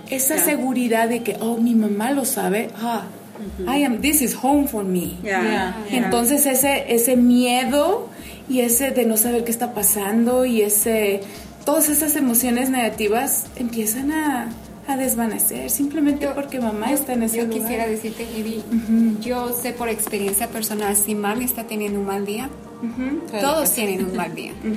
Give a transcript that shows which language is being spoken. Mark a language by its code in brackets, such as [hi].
[es] Esa seguridad de que, oh, mi mamá lo sabe. [en] Ah, I am, this is home for me. [es] Entonces ese miedo y ese de no saber qué está pasando y ese... todas esas emociones negativas empiezan a desvanecer simplemente porque mamá está en ese lugar. Yo quisiera decirte, Heidi, yo sé por experiencia personal, si Marley está teniendo un mal día, todos tienen un mal día.